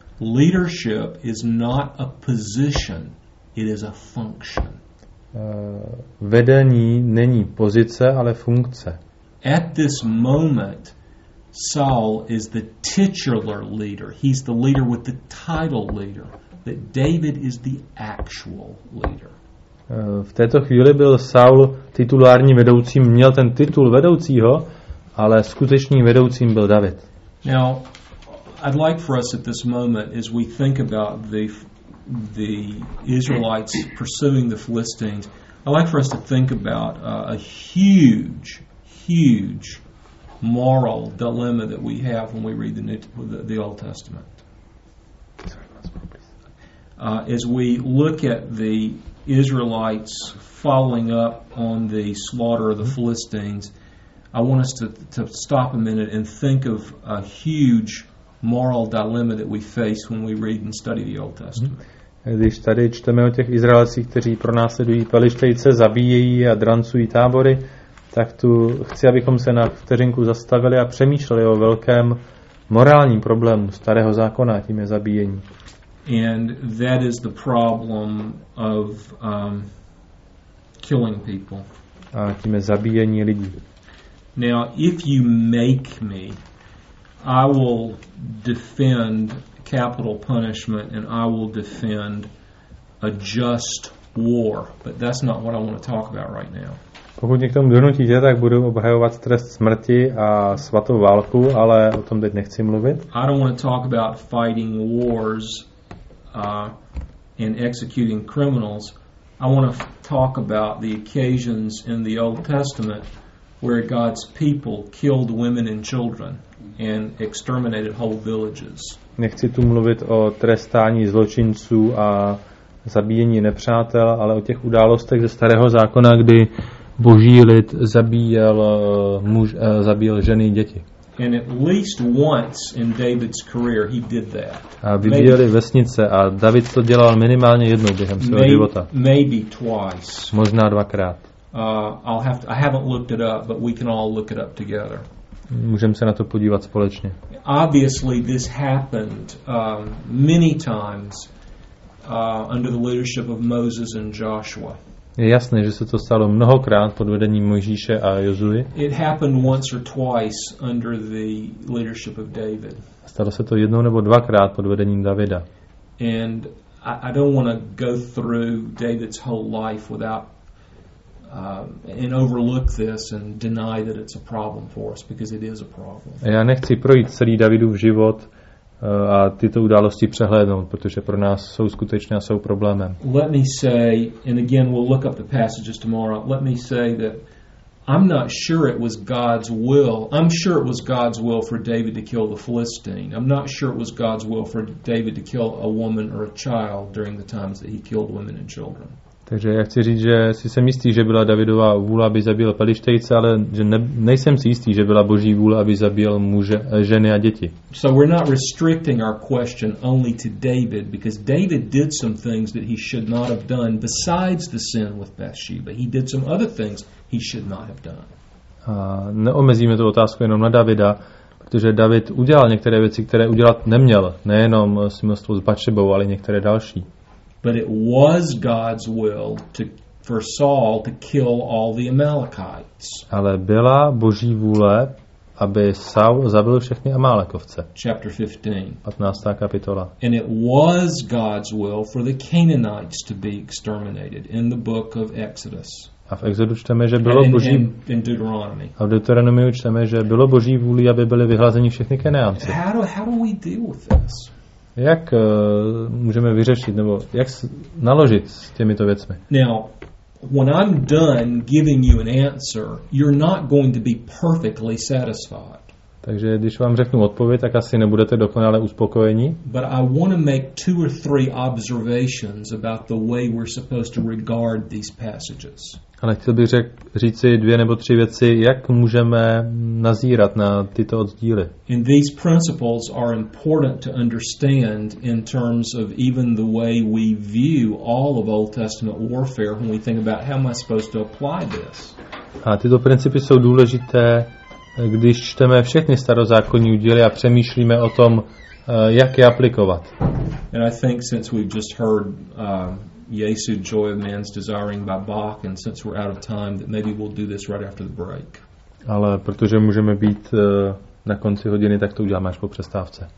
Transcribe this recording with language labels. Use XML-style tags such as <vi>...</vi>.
<en>Leadership is not a position, it is a function.</en> <cs>Vedení není pozice, ale funkce.</cs> <en>At this moment, Saul is the titular leader. He's the leader with the title leader. But David is the actual leader.</en> <cs>V této chvíli byl Saul titulárním vedoucím, měl ten titul vedoucího, ale skutečným vedoucím byl David.</cs> <en>Now, I'd like for us at this moment, as we think about the Israelites pursuing the Philistines, I'd like for us to think about a huge, huge moral dilemma that we have when we read the Old Testament. As we look at the Israelites following up on the slaughter of the Philistines, I want us to stop a minute and think of a huge moral dilemma that we face when we read and study the Old Testament.</en> <cs>Když tady čteme o těch Izraelcích, kteří pronásledují Pelištejce, zabíjejí a drancují tábory, tak tu chci, abychom se na vteřinku zastavili a přemýšleli o velkém morálním problému Starého zákona, tím je zabíjení.</cs> <en>And that is the problem of killing people.</en> <cs>A tím je zabíjení lidí.</cs> <en>Now, if you make me, I will defend capital punishment and I will defend a just war, but that's not what I want to talk about right now.</en> <cs>Pokud mě k tomu donutíte, tak budu obhajovat trest smrti a svatou válku, ale o tom teď nechci mluvit.</cs> <en>I don't want to talk about fighting wars and executing criminals. I want to talk about the occasions in the Old Testament where God's people killed women and children and exterminated whole villages.</en> <cs>Nechci tu mluvit o trestání zločinců a zabíjení nepřátel, ale o těch událostech ze Starého zákona, kdy Boží lid zabíjel ženy a děti.</cs> <en>And at least once in David's career he did that.</en> <cs>A vybíjeli vesnice a David to dělal minimálně jednou během svého života.</cs> <en>Maybe twice.</en> <cs>Možná dvakrát.</cs> <en>I haven't looked it up, but we can all look it up together.</en> <cs>Můžeme se na to podívat společně.</cs> <en>Obviously this happened many times under the leadership of Moses and Joshua.</en> <cs>Je jasné, že se to stalo mnohokrát pod vedením Mojžíše a Jozuy.</cs> <en>It happened once or twice under the leadership of David.</en> <cs>Stalo se to jednou nebo dvakrát pod vedením Davida.</cs> <en>And I don't want to go through David's whole life without and overlook this and deny that it's a problem for us, because it is a problem.</en> <cs>Já nechci projít celý Davidův život a tyto události přehlédnout, protože pro nás jsou skutečné a jsou problémem.</cs> <en>Let me say, and again we'll look up the passages tomorrow, let me say that I'm not sure it was God's will. I'm sure it was God's will for David to kill the Philistine. I'm not sure it was God's will for David to kill a woman or a child during the times that he killed women and children.</en> <cs>Takže já chci říct, že si jsem jistý, že byla Davidova vůle, aby zabil Pelištejce, ale že nejsem si jistý, že byla Boží vůle, aby zabil muže, ženy a děti.</cs> <en>So we're not restricting our question only to David, because David did some things that he should not have done besides the sin with Bathsheba. He did some other things he should not have done.</en> <cs>A neomezíme tu otázku jenom na Davida, protože David udělal některé věci, které udělat neměl, nejenom smilstvo s Bathsheba, ale některé další.</cs> <en>But it was God's will for Saul to kill all the Amalekites.</en> <cs>Ale byla Boží vůle, aby Saul zabil všechny Amalekovce.</cs> <en>Chapter 15.</en> <cs>15. kapitola.</cs> <en>And it was God's will for the Canaanites to be exterminated in the book of Exodus.</en> <cs>A v Exodu čteme, že bylo Boží. A v Deuteronomiu čteme, že bylo Boží vůli, aby byli vyhlazeni všechny Kanaánci.</cs> <en>How do we deal with this?</en> <cs>Jak můžeme vyřešit nebo jak naložit s těmito věcmi?</cs> <en>Now, when I'm done giving you an answer, you're not going to be perfectly satisfied.</en> <cs>Takže když vám řeknu odpověď, tak asi nebudete dokonale uspokojeni.</cs> <en>But I want to make two or three observations about the way we're supposed to regard these passages.</en> <cs>Ale chtěl bych říci dvě nebo tři věci, jak můžeme nazírat na tyto oddíly.</cs> <en>And these principles are important to understand in terms of even the way we view all of Old Testament warfare when we think about how am I supposed to apply this.</en> <cs>A tyto principy jsou důležité, když čteme všechny starozákonní oddíly a přemýšlíme o tom, jak je aplikovat.</cs> <en>And I think since we've just heard Yesu, Joy of Man's Desiring by Bach, and since we're out of time, that maybe we'll do this right after the break.</en> <cs>Ale protože můžeme být na konci hodiny, tak to uděláme až po přestávce.</cs>